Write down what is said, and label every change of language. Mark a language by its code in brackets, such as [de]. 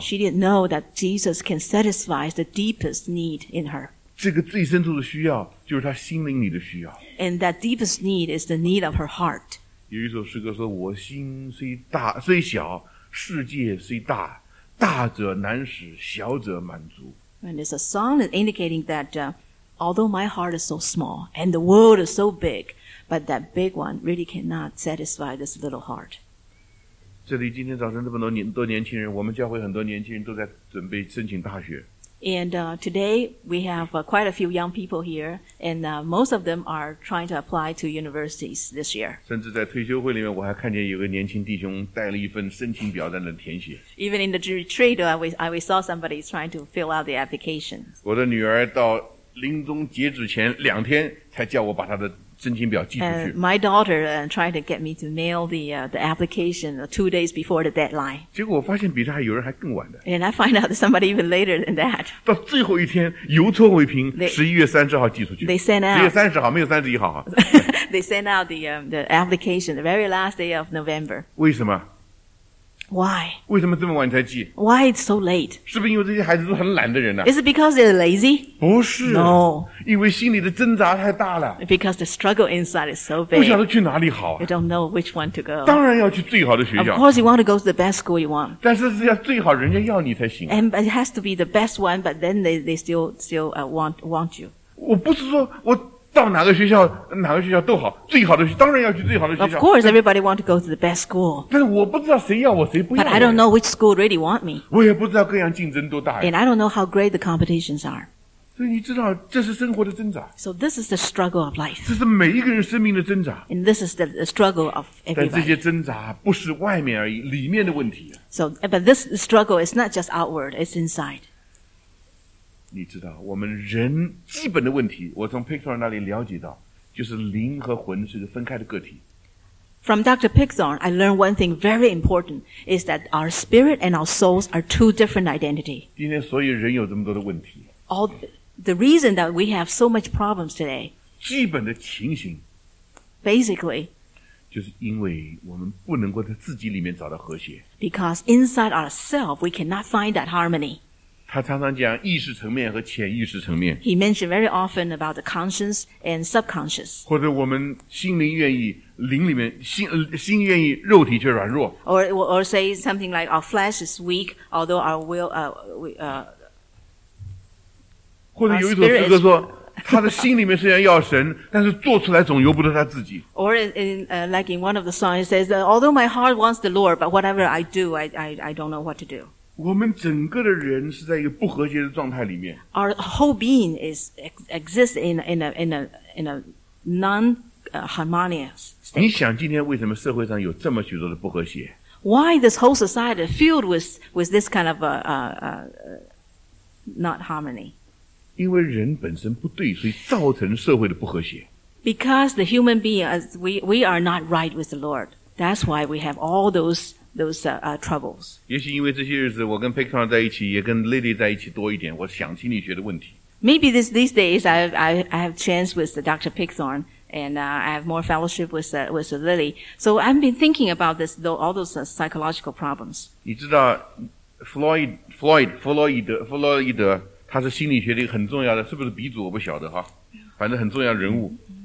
[en] She didn't know that Jesus can satisfy the deepest need in her. [zh] 这个最深处的需要就是她心灵里的需要。 [en] And that deepest need is the need of her heart. [zh] 有一首诗歌说，我心虽小。世界虽大，大者难使，小者满足。 [en] And it's a song indicating that although my heart is so small and the world is so big, but that big one really cannot satisfy this little heart. [zh] 这里今天早晨这么多年轻人，我们教会很多年轻人都在准备申请大学。 [en] And today we have quite a few young people here, and most of them are trying to apply to universities this year. [zh] 甚至在退休会里面，我还看见有个年轻弟兄带了一份申请表在那填写。 [en] Even in the retreat, I saw somebody trying to fill out the application. [zh] 我的女儿到临终截止前两天才叫我把她的申请表寄出去。 [en] And my daughter tried to get me to mail the application 2 days before the deadline. [zh] 结果我发现比他有人还更晚的。 [en] And I find out that somebody even later than that. [zh] 到最后一天邮戳未平 ,11 月30号寄出去。 [en] They sent out. [zh] 11月30号没有31号。 [en] They sent out the application the very last day of November. [zh] 为什么 [en] Why? [zh] 为什么这么晚才寄? [en] Why it's so late? [zh] 是不是因为这些孩子都很懒的人啊? [en] Is it because they're lazy? [zh] 不是。 [en] No. [zh] 因为心里的挣扎太大了。 [en] Because the struggle inside is so big. [zh] 不晓得去哪里好啊。 [en] You don't know which one to go. [zh] 当然要去最好的学校。 [en] Of course you want to go to the best school you want. [zh] 但是是要最好人家要你才行。 [en] And it has to be the best one, but then they still want you. [zh] 我不是说我到哪个学校都好，最好的学当然要去最好的学校。 [en] Of course, everybody want to go to the best school. [zh] 但是我不知道谁要我，谁不要我。 [en] But I don't know which school really want me. [zh] 我也不知道各样竞争多大。 [en] And I don't know how great the competitions are. [zh] 所以你知道，这是生活的挣扎。 [en] So this is the struggle of life. [zh] 这是每一个人生命的挣扎。 [en] And this is the struggle of everybody. [zh] 但这些挣扎不是外面而已，里面的问题。 [en] So, but this struggle is not just outward; it's inside. [zh] 你知道我们人基本的问题我从 Picture 那里了解到就是灵和魂是个分开的个体。 [en] From Dr. Pixon, I learned one thing very important, is that our spirit and our souls are two different identities. [zh] 今天所以人有这么多的问题。 [en] All the reason that we have so much problems today, [zh] 基本的情形 [en] basically, [zh] 就是因为我们不能够在自己里面找到和谐。 [en] Because inside ourselves, we cannot find that harmony. [zh] 他常常讲意识层面和潜意识层面。 [en] He mentioned very often about the conscious and subconscious. [zh] 或者我们心灵愿意灵里面 心愿意肉体却软弱 [en] or say something like our flesh is weak although our will [zh] 或者有一种诗歌说他的心里面虽然要神但是做出来总由不得他自己 [en] or in,、like in one of the songs it says although my heart wants the Lord but whatever I do I don't know what to do [zh] 我们整个的人是在一个不和谐的状态里面 [en] our whole being is exists in a non harmonious [zh] 你想今天为什么社会上有这么许多的不和谐 [en] Why this whole society filled with this kind of not harmony? [zh] 因为人本身不对所以造成社会的不和谐 [en] Because the human being, we are not right with the Lord. That's why we have all those troubles. [zh] 也许因为这些日子我跟 Pekon 在一起也跟 Lily 在一起多一点我想心理学的问题 [en] Maybe these days I have chance with Dr. Pixon. And I have more fellowship with Lily. So I've been thinking about this, though, all those psychological problems. [zh] 你知道 Freud 他是心理学的一个很重要的是不是鼻祖我不晓得哈反正很重要的人物